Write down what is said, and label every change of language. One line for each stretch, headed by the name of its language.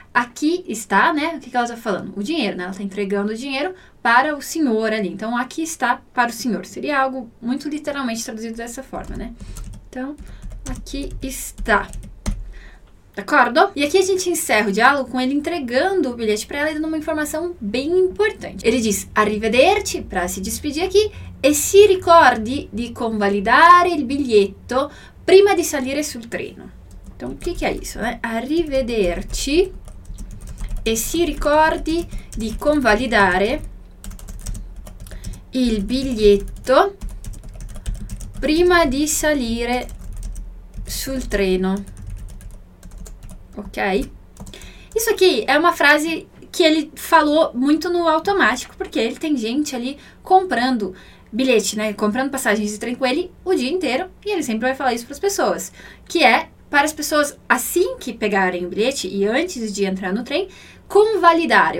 Portuguese: Aqui está, né? O que ela está falando? O dinheiro, né? Ela está entregando o dinheiro para o senhor ali. Então, aqui está para o senhor. Seria algo muito literalmente traduzido dessa forma, né? Então, aqui está. D'accordo? E aqui a gente encerra o diálogo com ele entregando o bilhete para ela e dando uma informação bem importante. Ele diz,
Italian: arrivederci,
Portuguese: para se despedir aqui,
Italian: e si ricordi di convalidare il biglietto prima di salire sul treno.
Portuguese: Então, o que é isso, né?
Italian: Arrivederci, e si ricordi di convalidare il biglietto prima di salire sul treno. Ok?
Portuguese: Isso aqui é uma frase que ele falou muito no automático, porque ele tem gente ali comprando bilhete, né? Comprando passagens de trem com ele o dia inteiro, e ele sempre vai falar isso para as pessoas. Que é para as pessoas, assim que pegarem o bilhete e antes de entrar no trem, convalidar.